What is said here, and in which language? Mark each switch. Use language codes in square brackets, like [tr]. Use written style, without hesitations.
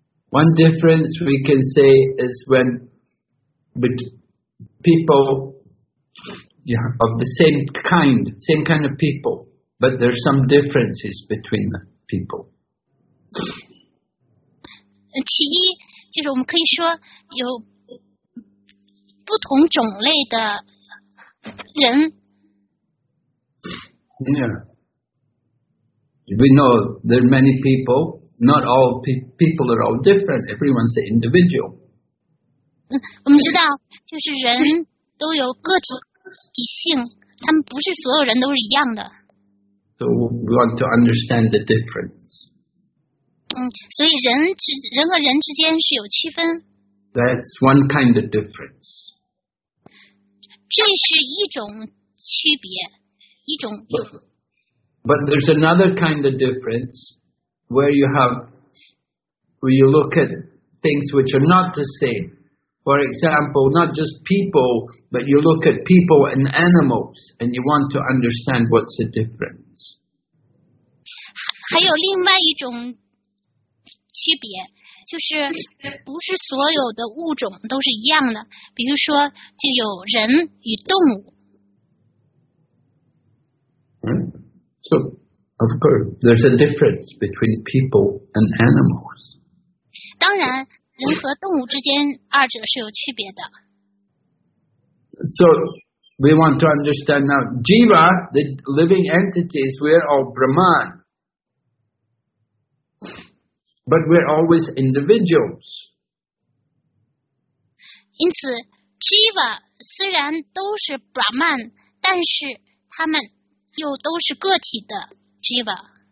[en] One difference we can say is when people of the same kind of people, but there's some differences between the people. [zh] 其一就是我们可以说有不同种类的人。 [en] Yeah. We know there are many people. Not all people are all different. Everyone's an individual. [zh] 我们知道就是人都有个体性，他们不是所有人都是一样的。 [en] So we want to understand the difference. [zh] 所以人和人之间是有区分。 [en] That's one kind of difference. [zh] 这是一种区别。一种 [en] but there's another kind of difference where you have, where you look at things which are not the same. For example, not just people, but you look at people and animals and you want to understand what's the difference. [zh] 还有另外一种区别，就是不是所有的物种都是一样的，比如说就有人与动物。 [en] So, of course, there's a difference between people and animals. [zh] 当然，人和动物之间二者是有区别的。 [en] So, we want to understand now, Jiva, the living entities, we're all Brahman. But we're always individuals. [zh] 因此 Jiva 虽然都是 Brahman, 但是他们又都是个体的 Jiva.